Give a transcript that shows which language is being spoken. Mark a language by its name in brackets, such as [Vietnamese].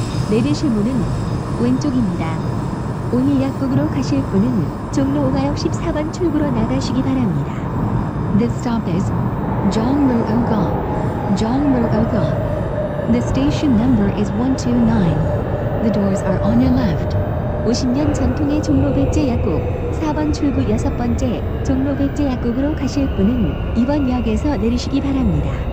[Korean] 내리실 문은 왼쪽입니다. 오늘 약국으로 가실 분은 종로 5가역 14번 출구로 나가시기 바랍니다. [English] This stop is 종로 5가. 종로 5가. The station number is 129. The doors are on your left. [Korean] 50년 전통의 종로 백제 약국 4번 출구 6번째 종로 백제 약국으로 가실 분은 이번 역에서 내리시기 바랍니다.